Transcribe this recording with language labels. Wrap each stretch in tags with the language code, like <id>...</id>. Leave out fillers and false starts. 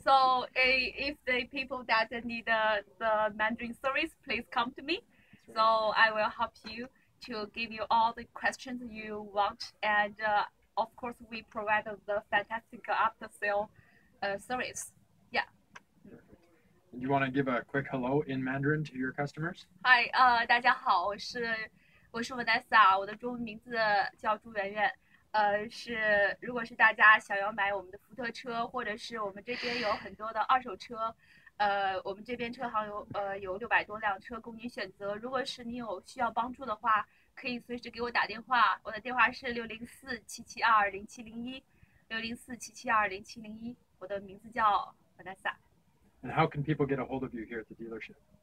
<en>So if the people that need the Mandarin service, please come to me. Right. So I will help you to give you all the questions you want, and of course we provide the fantastic after sale service. Yeah. Do you want to give a quick hello in Mandarin to your customers?</en> <zh>Hi, 大家好，我是 Vanessa， 我的中文名字叫朱媛媛，是如果是大家想要买我们的福特车，或者是我们这边有很多的二手车，我们这边车行有600多辆车供您选择，如果是你有需要帮助的话，可以随时给我打电话，我的电话是60472-0701，60472-0701，我的名字叫 Vanessa。</zh> <en>And how can people get a hold of you here at the dealership?</en>